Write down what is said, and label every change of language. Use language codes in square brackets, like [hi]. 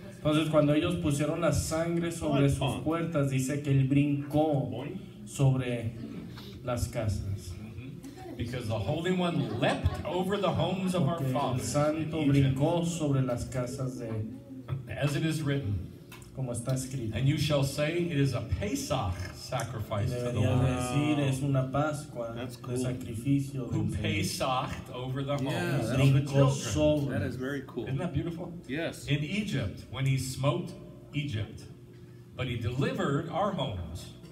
[es] Entonces, cuando ellos pusieron la sangre sobre sus puertas, dice que él brincó sobre las casas. [en] Because the Holy One leapt over the homes of our fathers. [es] Porque el Santo brincó sobre las casas de. [en] As it is written. [es] Como está escrito. [en] And you shall say it is a Pesach sacrifice to the Lord. [es] Decir es una Pascua de sacrificio. [en] Who Pesached over the homes of the children. [es] Sobre. [en] That is very cool. Isn't that beautiful? Yes. In Egypt, when he smote Egypt, but he delivered our homes.